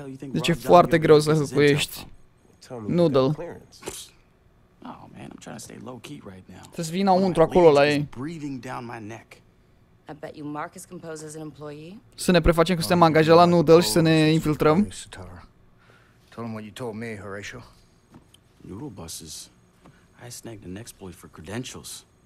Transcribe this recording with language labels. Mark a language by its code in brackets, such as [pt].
[ro] Deci e foarte greu să hackuiești Noodle. [en] Oh man, I'm trying to stay low key right now. [ro] Să-ți vin înăuntru acolo la ei. [en] Breathing down my neck. I bet you Marcus composes an employee. [ro] Să ne prefacem că suntem angajați la Noodle și să ne infiltrăm. [en] Tell him what you told me, Horatio. Noodle buses. I snagged an exploit for credentials.